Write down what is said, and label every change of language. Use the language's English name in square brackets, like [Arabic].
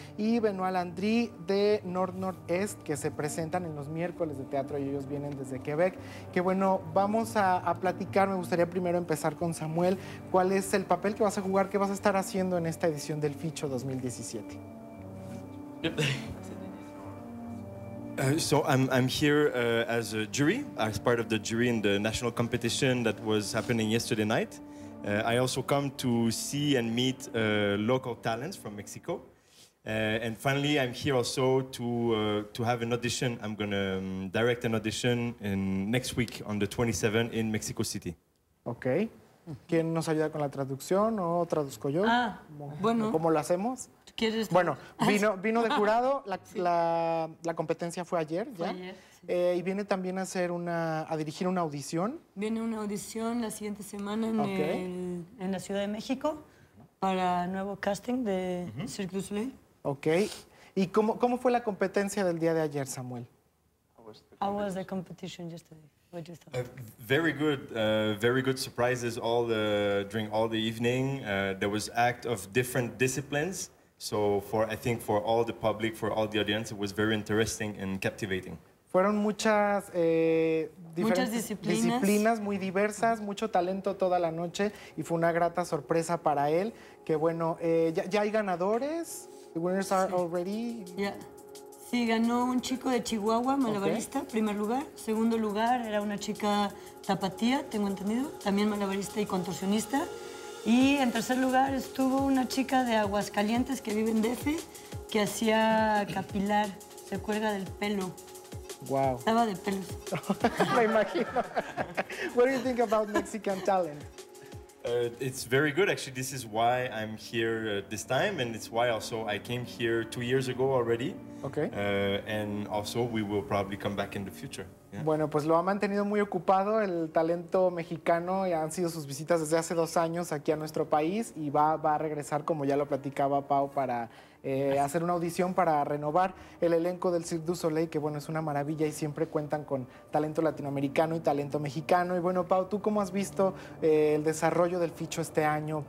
[Spanish] Y Benoit Landry de North Northeast, que se presentan en los miércoles de teatro y ellos vienen desde Quebec. Que bueno, vamos a platicar. Me gustaría primero empezar con Samuel. ¿Cuál es el papel que vas a jugar, qué vas a estar haciendo en esta edición del Ficho 2017? [English] So I'm here as a jury, as part of the jury in the national competition that was happening yesterday night. I also come to see and meet local talents from Mexico. And finally, I'm here also to have an audition. I'm going to direct an audition in next week on the 27th in Mexico City. Ok. [Spanish] ¿Quién nos ayuda con la traducción o traduzco yo? Ah, ¿cómo, bueno. ¿Cómo lo hacemos? ¿Quieres? Bueno, vino de jurado, la competencia fue ayer, ¿ya? Fue ayer, sí. Y viene también a dirigir una audición. Viene una audición la siguiente semana en la Ciudad de México para nuevo casting de Cirque du Soleil. Ok. ¿Y cómo fue la competencia del día de ayer, Samuel? [English] How was the competition yesterday? What you thought? Very good. Very good surprises during all the evening. There was act of different disciplines. So I think for all the public, for all the audience, it was very interesting and captivating. [Spanish] Fueron muchas, muchas disciplinas. Disciplinas muy diversas, mucho talento toda la noche y fue una grata sorpresa para él. Que bueno, ya hay ganadores. [English] The winners are already. Yeah. [Spanish] Sí, ganó un chico de Chihuahua, malabarista, primer lugar. Segundo lugar era una chica tapatía, tengo entendido, también malabarista y contorsionista. Y en tercer lugar estuvo una chica de Aguascalientes que vive en DF, que hacía capilar, se cuelga del pelo. Wow. Estaba de pelos. Me imagino. [English] What do you think about Mexican talent? It's very good, actually. This is why I'm here this time, and it's why also I came here 2 years ago already. Okay. And also we will probably come back in the future. Yeah. [Spanish] Bueno, pues lo ha mantenido muy ocupado el talento mexicano y han sido sus visitas desde hace 2 años aquí a nuestro país y va a regresar, como ya lo platicaba Pau, para hacer una audición para renovar el elenco del Cirque du Soleil, que bueno, es una maravilla y siempre cuentan con talento latinoamericano y talento mexicano. Y bueno, Pau, ¿tú cómo has visto el desarrollo del Ficho este año?